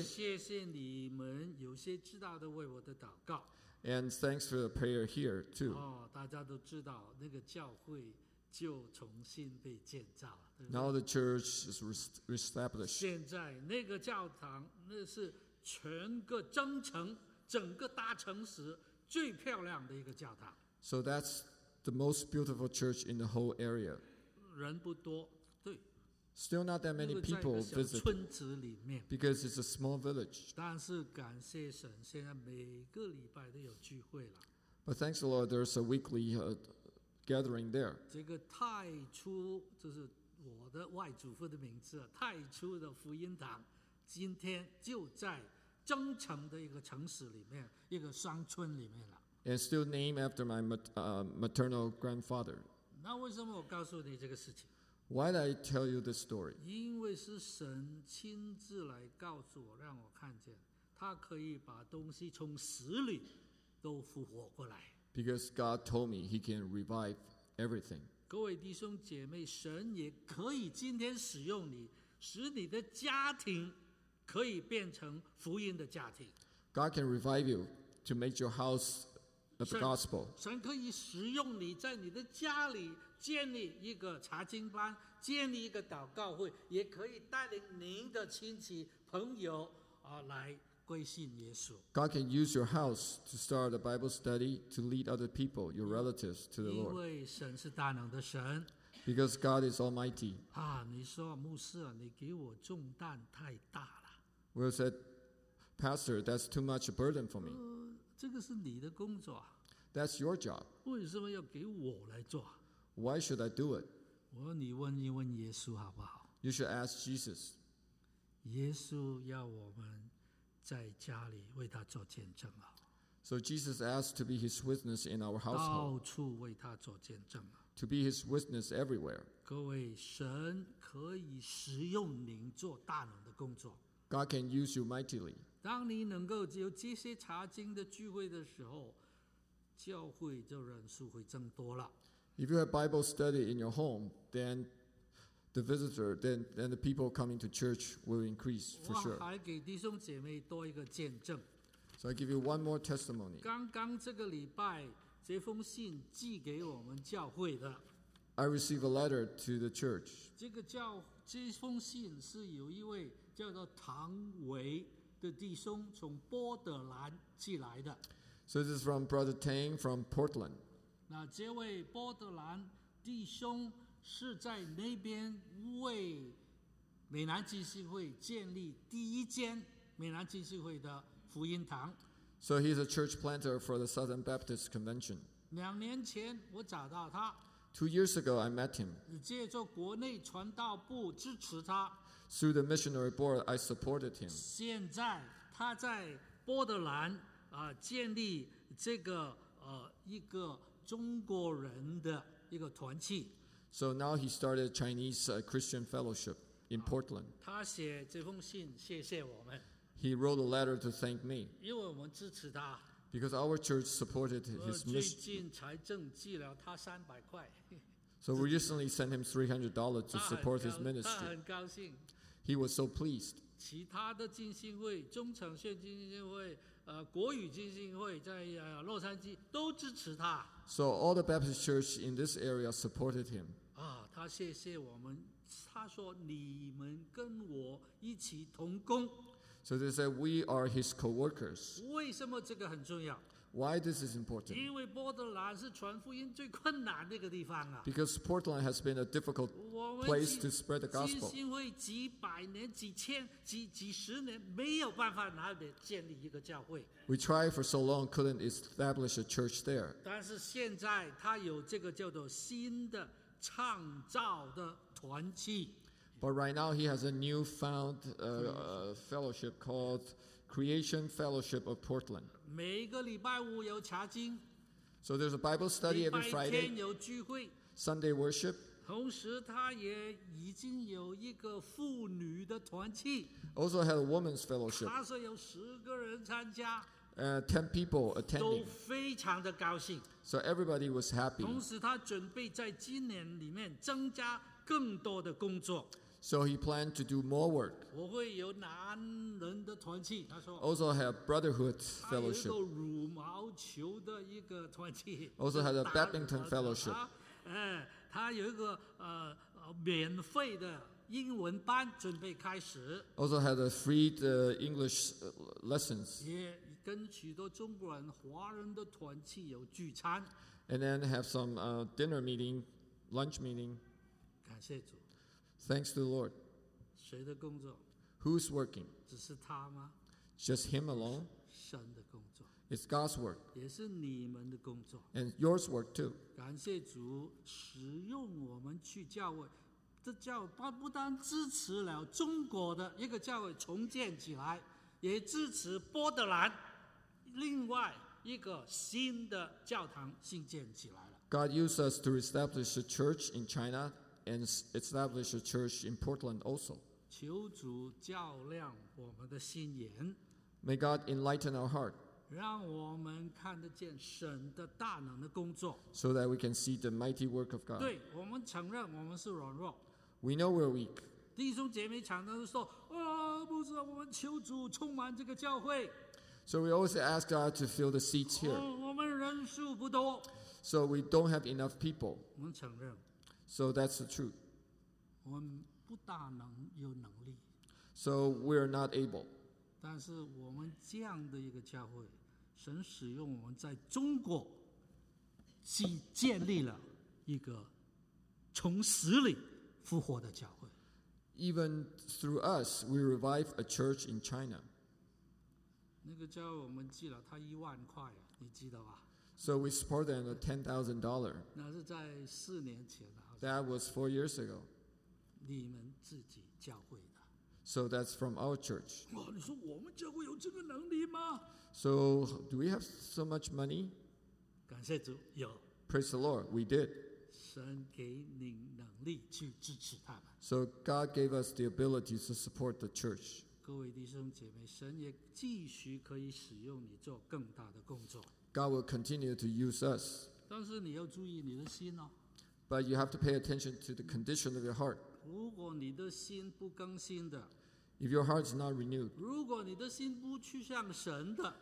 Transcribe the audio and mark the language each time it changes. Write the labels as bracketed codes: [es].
[zh] 谢谢你们有些知道的为我的祷告。 [en] And thanks for the prayer here too. [zh] 哦，大家都知道那个教会。就重新被建造了，对不对？ [en] Now the church is reestablished. [zh] 现在那个教堂，那是全个征程，整个大城市最漂亮的一个教堂。 [en] So that's the most beautiful church in the whole area. [zh] 人不多，对。 [en] Still not that many people visit. [zh] 在一个小村子里面。 [en] Because it's a small village. [zh] 但是感谢神，现在每个礼拜都有聚会了。 [en] But thanks the Lord, there's a weekly gathering there. [zh] 这个太初就是我的外祖父的名字，太初的福音堂，今天就在增城的一个城市里面，一个乡村里面了。 [en] And still named after my maternal grandfather. [zh] 那为什么我告诉你这个事情？ [en] Why did I tell you this story? [zh] 因为是神亲自来告诉我，让我看见他可以把东西从死里都复活过来。 [en] Because God told me He can revive everything. [zh] 各位弟兄姐妹，神也可以今天使用你，使你的家庭可以变成福音的家庭。 [en] God can revive you to make your house of the gospel. [zh] 神可以使用你在你的家里建立一个查经班，建立一个祷告会，也可以带领您的亲戚朋友啊来。 [en] God can use your house to start a Bible study to lead other people, your relatives, to the Lord. [zh] 因为神是大能的神。 [en] Because God is Almighty. [zh] 啊，你说牧师啊，你给我重担太大了。 [en] Well said, Pastor, that's too much a burden for me. [zh] 这个是你的工作。 [en] That's your job. [zh] 为什么要给我来做？ [en] Why should I do it? [zh] 我说你问一问耶稣好不好？ [en] You should ask Jesus. [zh] 耶稣要我们。在家里为他做见证啊。 [en] So Jesus asked to be his witness in our household. [zh] 到处为他做见证啊。 [en] To be his witness everywhere. [zh] 各位，神可以使用您做大能的工作。 [en] God can use you mightily. [zh] 当你能够有这些查经的聚会的时候，教会就人数会增多了。 [en] If you have Bible study in your home, then the visitor, then the people coming to church will increase for sure. 我 [zh] 还给弟兄姐妹多一个见证。 [en] So I give you one more testimony. [zh] 刚刚这个礼拜，这封信寄给我们教会的。 [en] I received a letter to the church. [zh] 这封信是有一位叫做唐维的弟兄从波德兰寄来的。 [en] So this is from Brother Tang from Portland. [zh] 那这位波德兰弟兄是在那边为美南基督会建立第一间美南基督会的福音堂。 [en] So he's a church planter for the Southern Baptist Convention. [zh] 两年前我找到他。 [en] Two years ago I met him. [zh] 借助国内传道部支持他。 [en] Through the missionary board I supported him. [zh] 现在他在波德兰啊建立这个一个中国人的一个团契。 [en] So now he started a Chinese Christian fellowship in Portland. [zh] 他写这封信谢谢我们。 [en] He wrote a letter to thank me. [zh] 因为我们支持他。 [en] Because our church supported his mission. [zh] 最近才正寄了他300块。 [en] So we recently sent him $300 to support his ministry. [zh] 他很高兴。 [en] He was so pleased. [zh] 其他的浸信会、中城线浸信会、国语浸信会在洛杉矶都支持他。 [en] So all the Baptist church in this area supported him. [zh] 啊，他谢谢我们。他说你们跟我一起同工。 [en] So they said we are his co-workers. [zh] 为什么这个很重要？ [en] Why this is important? [zh] 因为波德兰是传福音最困难的一个地方啊。 [en] Because Portland has been a difficult place to spread the gospel. [zh] 浸信会几百年、几千、几十年没有办法哪里建立一个教会。 [en] We tried for so long, couldn't establish a church there. [zh] 但是现在他有这个叫做新的创造的团契。 [en] But right now he has a new found fellowship called Creation Fellowship of Portland. [zh] 每个礼拜五有查经。 [en] So there's a Bible study every Friday. [zh] 礼拜天有聚会。 [en] Sunday worship. [zh] 同时他也已经有一个妇女的团契。 [en] Also had a woman's fellowship. [zh] 他说有十个人参加。 [en] Ten people attending. [zh] 都非常的高兴。 [en] So everybody was happy. [zh] 同时他准备在今年里面增加更多的工作。 [en] So he planned to do more work. [zh] 我会有男人的团契，他说。 [en] Also had brotherhood fellowship. [zh] 还有一个乳毛球的一个团契。 [en] Also had a badminton fellowship. [zh] 他有一个免费的英文班准备开始。 [en] Also had a free English lessons. [zh] 也跟许多中国人、华人的团契有聚餐。 [en] And then have some dinner meeting, lunch meeting. [zh] 感谢主。 [en] Thanks to the Lord. [zh] 谁的工作？ [en] Who's working? [zh] 只是他吗？ [en] Just him alone. [zh] 神的工作。 [en] It's God's work. [zh] 也是你们的工作。 [en] And yours work too. [zh] 感谢主使用我们去教会，这教会不单支持了中国的一个教会重建起来，也支持波德兰另外一个新的教堂新建起来了。 [en] God used us to establish a church in China and establish a church in Portland also. [zh] 求主照亮我们的心眼。 [en] May God enlighten our heart. [zh] 让我们看得见神的大能的工作。 [en] So that we can see the mighty work of God. [zh] 对，我们承认我们是软弱。 [en] We know we're weak. [zh] 弟兄姐妹常常说，哦，不是，我们求主充满这个教会。 [en] So we always ask God to fill the seats here. [zh] 我们人数不多。 [en] So we don't have enough people. [zh] 我们承认。 [en] So that's the truth. [zh] 我们不大能有能力。 [en] So we're not able. [zh] 但是我们这样的一个教会，神使用我们在中国，建立了一个从死里复活的教会。 [en] Even through us, we revive a church in China. [zh] 那个教会我们寄了他10,000块，你记得吧？ [en] So we support them $10,000. [zh] 那是在四年前的。 [en] That was 4 years ago. [zh] 你们自己教会的。 [en] So that's from our church. [zh] 哇，你说我们教会有这个能力吗？ [en] So do we have so much money? [zh] 感谢主，有。 [en] Praise the Lord, we did. [zh] 神给你能力去支持他们。 [en] So God gave us the ability to support the church. [zh] 各位弟兄姐妹，神也继续可以使用你做更大的工作。 [en] God will continue to use us. [zh] 但是你要注意你的心哦。 [en] But you have to pay attention to the condition of your heart. [zh] 如果你的心不更新的。 [en] If your heart is not renewed. [zh] 如果你的心不趋向神的。